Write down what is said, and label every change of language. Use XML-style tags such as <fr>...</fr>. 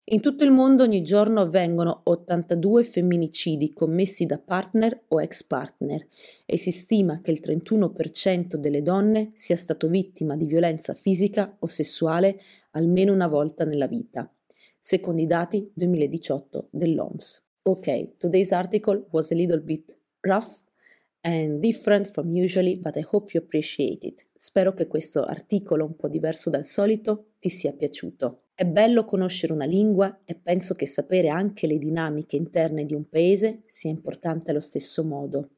<it>In tutto il mondo ogni giorno avvengono 82 femminicidi commessi da partner o ex partner e si stima che il 31% delle donne sia stato vittima di violenza fisica o sessuale almeno una volta nella vita, secondo i dati 2018 dell'OMS.</it> <en>Ok, today's article was a little bit rough and different from usually, but I hope you appreciate it.</en> <it>Spero che questo articolo, un po' diverso dal solito, ti sia piaciuto. È bello conoscere una lingua e penso che sapere anche le dinamiche interne di un paese sia importante allo stesso modo.</it>